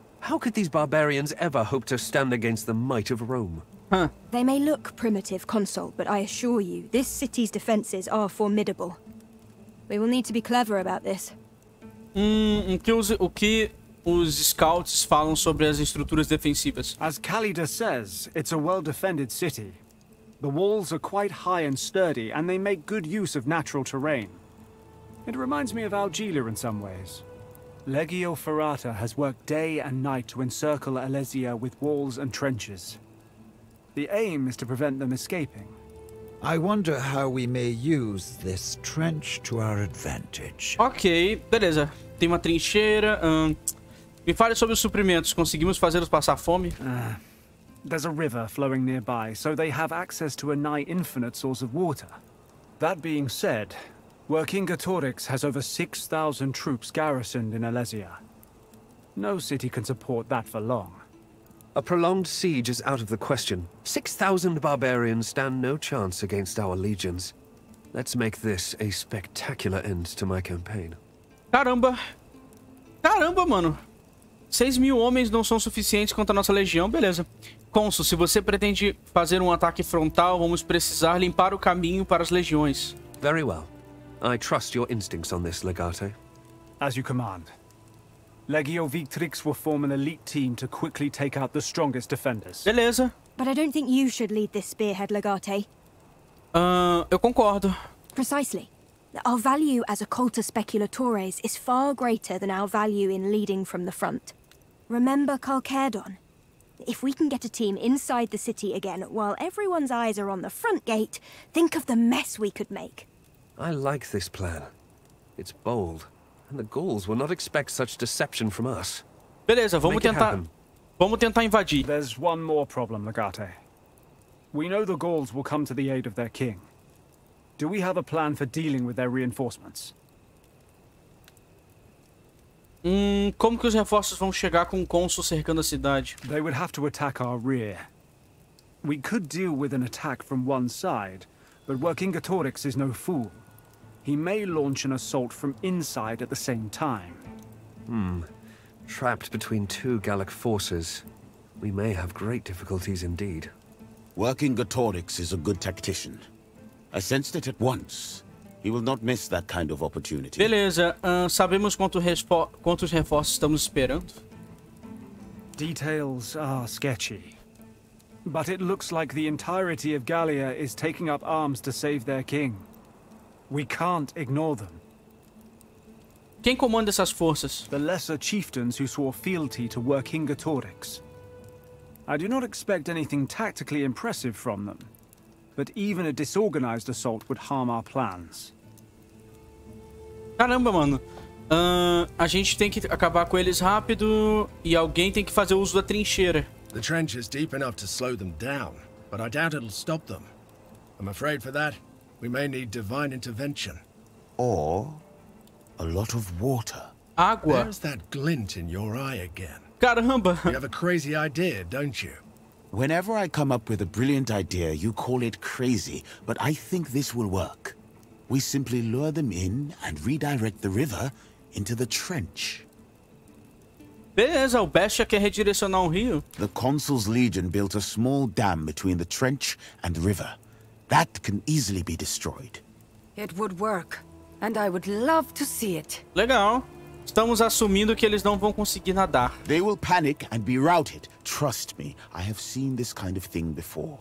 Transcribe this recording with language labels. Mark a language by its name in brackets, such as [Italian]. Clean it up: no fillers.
[English] How could these barbarians ever hope to stand against the might of Rome? Huh. They may look primitive, consul, but I assure you, this city's defenses are formidable. We will need to be clever about this. [Portuguese] O que os scouts falam sobre as estruturas defensivas? [English] As Calida says, it's a well-defended city. The walls are quite high and sturdy, and they make good use of natural terrain. It reminds me of Algilia in some ways. Legio Ferrata has worked day and night to encircle Alesia with walls and trenches. The aim is to prevent them escaping. I wonder how we may use this trench to our advantage. [Portuguese] Ok, beleza. Tem uma trincheira. Me fale sobre os suprimentos. Conseguimos fazê-los passar fome? [English] There's a river flowing nearby, so they have access to a nigh infinite source of water. That being said, Working Gatorix has over 6,000 troops garrisoned in Alesia. No city can support that for long. A prolonged siege is out of the question. 6,000 barbarians stand no chance against our legions. Let's make this a spectacular end to my campaign. [Portuguese] Caramba! Caramba, mano! 6,000 homens não são suficientes contra a nossa legião, beleza. Consul, se você pretende fazer um ataque frontal, vamos precisar limpar o caminho para as legiões. [English] Very well. I trust your instincts on this, Legate. As you command. Legio Victrix will form an elite team to quickly take out the strongest defenders. [Portuguese] Beleza. [English] But I don't think you should lead this spearhead, Legate. [Portuguese] Eu concordo. [English] Precisely. Our value as a culta speculatores is far greater than our value in leading from the front. Remember Calcaedon? If we can get a team inside the city again while everyone's eyes are on the front gate, think of the mess we could make. I like this plan. It's bold, and the Gauls will not expect such deception from us. [Portuguese] Beleza, vamos tentar invadir. [English] There's one more problem, Legate. We know the Gauls will come to the aid of their king. Do we have a plan for dealing with their reinforcements? [Portuguese] Como que os reforços vão chegar com o cônsul cercando a cidade? [English] They would have to attack our rear. We could deal with an attack from one side, but working Gatorix is no fool. He may launch an assault from inside at the same time. Trapped between two Gallic forces, we may have great difficulties indeed. Working Gatorix is a good tactician. I sensed it at once. He will not miss that kind of opportunity. [Portuguese] Beleza, sabemos quantos reforços estamos esperando. [English] Details are sketchy. But it looks like the entirety of Gallia is taking up arms to save their king. We can't ignore them. [Portuguese] Quem comanda essas forças? [English] The lesser chieftains who swore fealty to working Gatorix. I do not expect anything tactically impressive from them. But even a disorganized assault would harm our plans. [Portuguese] Caramba, mano. A gente tem que acabar com eles rápido e alguém tem que fazer uso da trincheira. [English] The trench is deep enough to slow them down, but I doubt it'll stop them. I'm afraid for that, we may need divine intervention. Or a lot of water. [Portuguese] Água. [English] There's that glint in your eye again. [Portuguese] Caramba. [English] You have a crazy idea, don't you? Whenever I come up with a brilliant idea, you call it crazy, but I think this will work. We simply lure them in and redirect the river into the trench. [Portuguese] Beleza, o Bestia quer redirecionar um rio. [English] The Consul's Legion built a small dam between the trench and the river. That can easily be destroyed. It would work, and I would love to see it. [Portuguese] Legal. Estamos assumindo que eles não vão conseguir nadar. [English] They will panic and be routed. Trust me, I have seen this kind of thing before.